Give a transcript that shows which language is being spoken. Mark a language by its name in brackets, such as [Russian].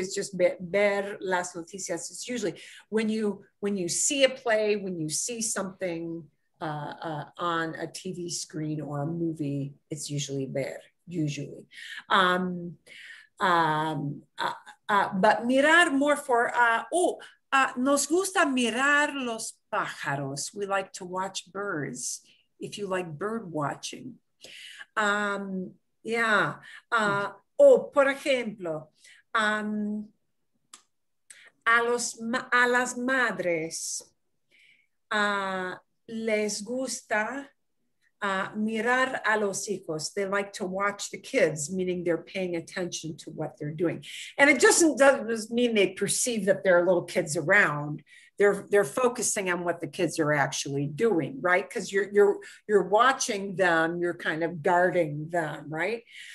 [English] It's just ver las noticias. It's usually when you see a play, when you see something on a TV screen or a movie, it's usually ver, usually. But mirar more for, [Spanish] nos gusta mirar los pájaros. [English] We like to watch birds, if you like bird watching. [Spanish] Por ejemplo, a las madres les gusta mirar a los hijos. [English] They like to watch the kids, meaning they're paying attention to what they're doing. And it doesn't mean they perceive that there are little kids around. They're focusing on what the kids are actually doing, right? Because you're watching them, you're kind of guarding them, right?